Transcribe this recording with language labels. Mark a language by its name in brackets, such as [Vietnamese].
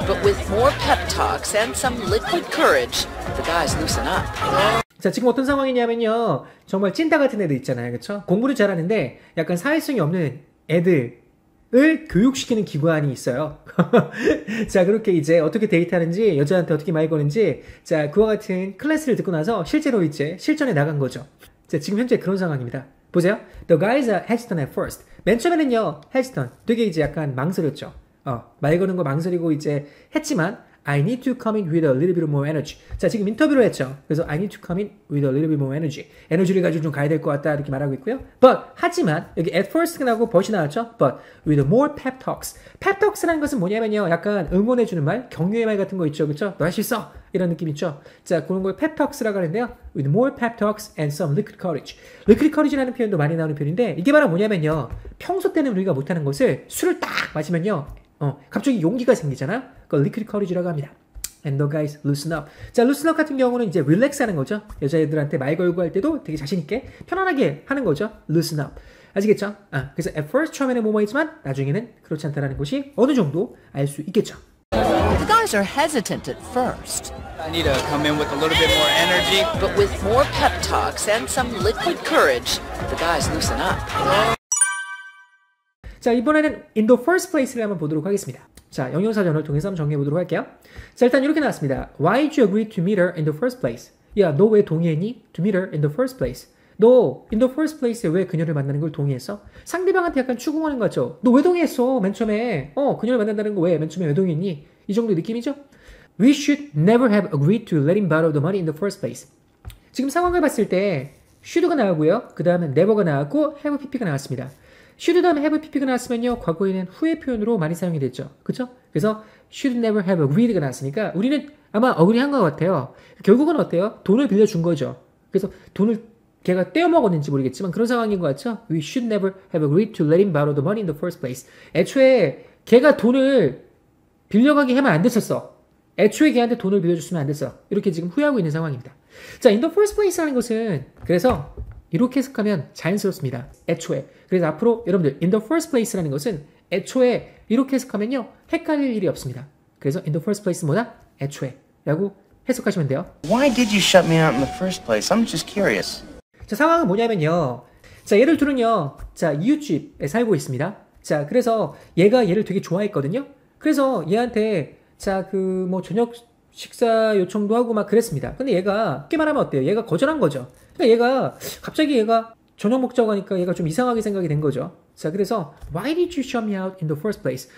[English] But with more pep talks and some liquid courage, the guys loosen up. [Korean] 자, 지금 어떤 상황이냐면요. 정말 찐따 같은 애들 있잖아요. 그렇죠? 공부를 잘하는데 약간 사회성이 없는 애들을 교육시키는 기관이 있어요. 자, 그렇게 이제 어떻게 데이트하는지, 여자한테 어떻게 말 거는지, 자, 그와 같은 클래스를 듣고 나서 실제로 이제 실전에 나간 거죠. 자, 지금 현재 그런 상황입니다. 보세요. [English] The guys are hesitant at first. [Korean] 맨 처음에는요, [English] hesitant. [Korean] 되게 이제 약간 망설였죠. 말 거는 거 망설이고 이제 했지만, [English] I need to come in with a little bit more energy. [Korean] 자, 지금 인터뷰를 했죠. 그래서 [English] I need to come in with a little bit more energy. [Korean] 에너지를 가지고 좀 가야 될 것 같다. 이렇게 말하고 있고요. [English] But, [Korean] 하지만, 여기 at first가 나오고 but이 나왔죠. [English] But, with more pep talks. [Korean] Pep talks라는 것은 뭐냐면요, 약간 응원해주는 말, 격려의 말 같은 거 있죠. 그쵸? 너 할 수 있어! 이런 느낌 있죠? 자, 그런 걸 pep talks라고 하는데요. [English] With more pep talks and some liquid courage. [Korean] Liquid courage라는 표현도 많이 나오는 표현인데, 이게 바로 뭐냐면요. 평소 때는 우리가 못하는 것을 술을 딱 마시면요. 갑자기 용기가 생기잖아? 그걸 liquid courage라고 합니다. [English] And the guys loosen up. [Korean] 자, loosen up 같은 경우는 이제 relax 하는 거죠. 여자애들한테 말 걸고 할 때도 되게 자신있게 편안하게 하는 거죠. [English] Loosen up. [Korean] 아시겠죠? 아, 그래서 at first 처음에는 뭐뭐했지만, 나중에는 그렇지 않다라는 것이 어느 정도 알 수 있겠죠. [English] The guys are hesitant at first. I need to come in with a little bit more energy. But with more pep talks and some liquid courage, the guys loosen up. [Korean] 자, 이번에는 in the first place를 한번 보도록 하겠습니다. 자, 영영사전을 통해서 한번 정리해보도록 할게요. 자, 일단 이렇게 나왔습니다. [English] Why did you agree to meet her in the first place? [Korean] 야, 너 왜 동의했니? [English] To meet her in the first place. [Korean] 너 in the first place에 왜 그녀를 만나는 걸 동의했어? 상대방한테 약간 추궁하는 것 같죠? 너 왜 동의했어? 맨 처음에 그녀를 만난다는 거 왜? 맨 처음에 왜 동의했니? 이 정도 느낌이죠? [English] We should never have agreed to let him borrow the money in the first place. [Korean] 지금 상황을 봤을 때 should가 나오고요. 그 다음에 never가 나왔고 have pp가 나왔습니다. should 다음에 have pp가 나왔으면요. 과거에는 후의 표현으로 많이 사용이 됐죠. 그쵸? 그래서 should never have agreed가 나왔으니까 우리는 아마 agree한 것 같아요. 결국은 어때요? 돈을 빌려준 거죠. 그래서 돈을 걔가 떼어먹었는지 모르겠지만 그런 상황인 것 같죠? [English] We should never have agreed to let him borrow the money in the first place. [Korean] 애초에 걔가 돈을 빌려가게 하면 안 됐었어. 애초에 걔한테 돈을 빌려줬으면 안 됐어. 이렇게 지금 후회하고 있는 상황입니다. 자, in the first place라는 것은 그래서 이렇게 해석하면 자연스럽습니다. 애초에. 그래서 앞으로 여러분들 in the first place라는 것은 애초에 이렇게 해석하면요. 헷갈릴 일이 없습니다. 그래서 in the first place 뭐다? 애초에. 라고 해석하시면 돼요. [English] Why did you shut me out in the first place? I'm just curious. [Korean] 자, 상황은 뭐냐면요. 자, 예를 들면요. 자, 이웃집에 살고 있습니다. 자, 그래서 얘가 얘를 되게 좋아했거든요. 그래서 얘한테 자, 그 뭐 저녁 식사 요청도 하고 막 그랬습니다. 근데 얘가 쉽게 말하면 어때요? 얘가 거절한 거죠. 그러니까 얘가 갑자기 얘가 저녁 먹자고 하니까 얘가 좀 이상하게 생각이 된 거죠. 자, 그래서 [English] Why did you shut me out in the first place?